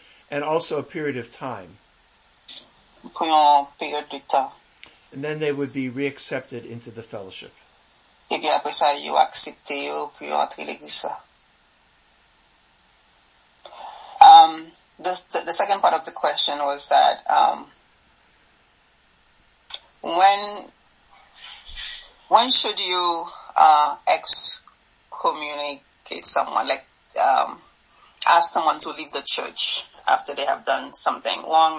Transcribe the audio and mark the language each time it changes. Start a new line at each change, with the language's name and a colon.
English: And also a period of time. And then they would be reaccepted into the fellowship.
French: Et puis après ça, ils ont accepté pour entrer l'église.
English: The second part of the question was that when should you excommunicate someone, ask someone to leave the church after they have done something wrong?